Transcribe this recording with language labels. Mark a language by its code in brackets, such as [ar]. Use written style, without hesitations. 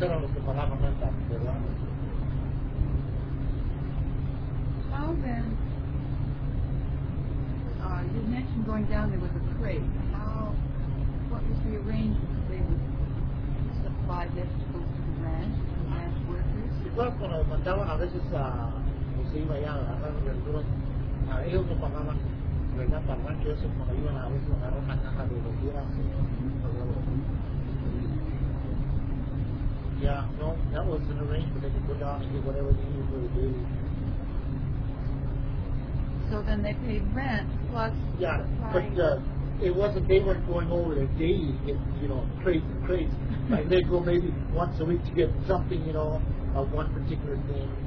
[en] were the ones that paid rent. How then, you mentioned going down there with a crate. What was the arrangement? They would supply vegetables to the ranch workers? [es] Igual cuando mandaban a veces a José iba allá a agarrar verduras, a ellos no pagaban. ¿Verdad? Para el rancho, eso es cuando iban a veces a agarrar una caja de lo que era. [en] Yeah, no, that was an arrangement. They could go down and get whatever they needed for the day. So then they paid rent plus. Yeah, but it wasn't, they weren't going over there daily, crates and crates. Like they'd go maybe once a week to get something, a one particular thing.